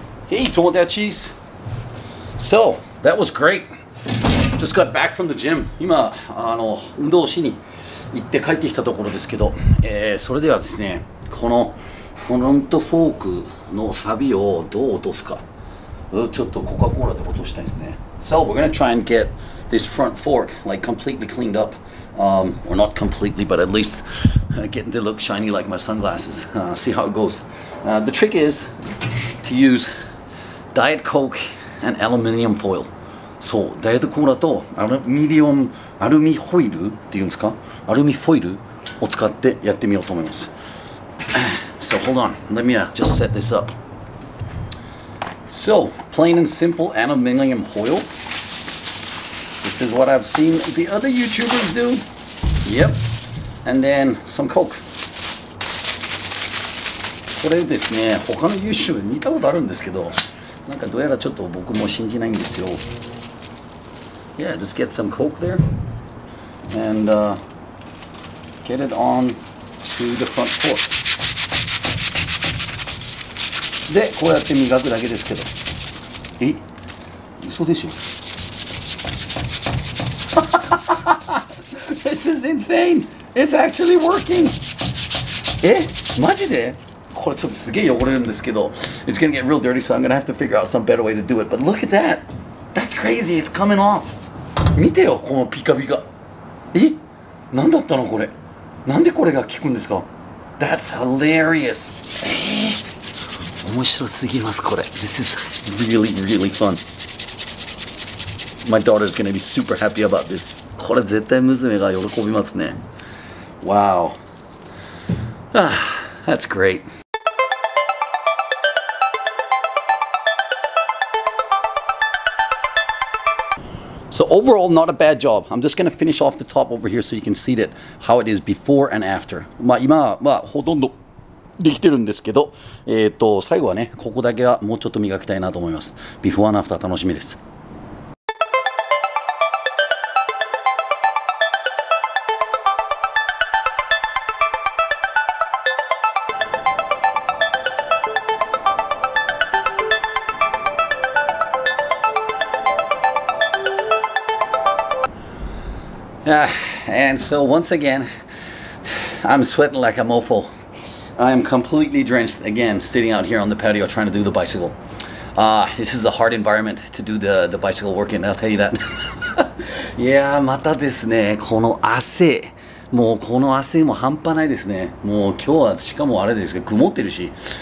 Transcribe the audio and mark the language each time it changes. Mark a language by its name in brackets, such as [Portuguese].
[English] Hey, you want that cheese? So, that was great. Just got back from the gym. [Japanese] 今、あの、運動しに行って帰ってきたところですけど、それではですね、このフロントフォークのサビをどう落とすか、ちょっとコカ・コーラで落としたいですね。 [English] So, we're gonna try and get this front fork, like, completely cleaned up. Or not completely, but at least getting to look shiny like my sunglasses. See how it goes. The trick is to use... Diet Coke and aluminium foil. [Japanese] そう、ダイエットコーラとアルミリオン、アルミホイルって言うんですか？アルミフォイルを使ってやってみようと思います。 [English] So hold on, let me just set this up. So, plain and simple aluminium foil. This is what I've seen the other YouTubers do. Yep. And then some Coke. [Japanese] これですね、他の YouTuber 見たことあるんですけど、なんかどうやらちょっと僕も信じないんですよ。 [English] Yeah, just get some coke there and get it on to the front fork. [Japanese] で、こうやって磨くだけですけど。え？嘘でしょ？ [English] This is insane! It's actually working! [Japanese] え？マジで？これちょっとすげえ汚れるんですけど、 [English] It's gonna get real dirty, so I'm gonna have to figure out some better way to do it. But look at that! That's crazy! It's coming off! [Japanese] 見てよ、このピカピカ。え？何だったのこれ？なんでこれが効くんですか？ [English] That's hilarious! [Japanese] 面白すぎます、これ。 [English] This is really, really fun. My daughter's gonna be super happy about this. [Japanese] これ絶対娘が喜びますね。 [English] Wow. That's great. So overall, not a bad job. I'm just gonna finish off the top over here so you can see that how it is before and after. [Japanese] まあ今、まあほとんどできてるんですけど、最後はね、ここだけはもうちょっと磨きたいなと思います。 [English] Before and after [Japanese] 楽しみです。 [English] And so once again, I'm sweating like a mofo. I am completely drenched again sitting out here on the patio trying to do the bicycle. This is a hard environment to do the bicycle work in, I'll tell you that. [Japanese] Yeah, またですね、この汗。もうこの汗も半端ないですね。もう今日はしかもあれですが、曇ってるし。